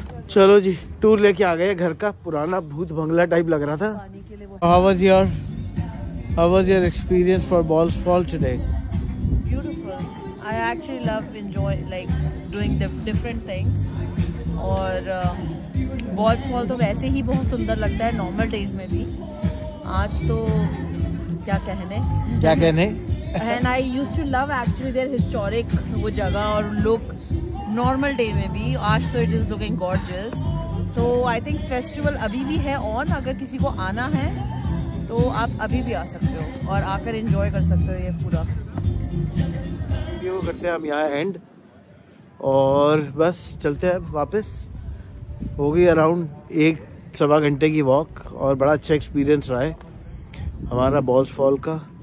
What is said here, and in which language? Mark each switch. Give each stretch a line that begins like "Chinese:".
Hindi: चलो जी, टूर लेके आ गए घर का. पुराना भूत बंगला टाइप लग रहा था.
English: How was your experience for Balls Fall today? Beautiful. I actually love enjoy like doing different things.
Hindi: और Balls Fall तो वैसे ही बहुत सुंदर लगता है normal days में भी. आज तो क्या कहने? क्या कहने?
English: And I used to love actually their historic
Hindi: वो जगह और
English: look normal day में भी.
Hindi: आज तो
English: it is looking gorgeous. तो I think festival अभी भी है on.
Hindi: अगर किसी को आना है तो आप अभी भी आ सकते हो और आकर enjoy कर सकते हो ये पूरा. ये वो करते हैं हम यहाँ end और बस चलते हैं वापस. हो गई अराउंड 1.25 घंटे की वॉक और बड़ा अच्छा एक्सपीरियंस रहा है हमारा Balls Fall का.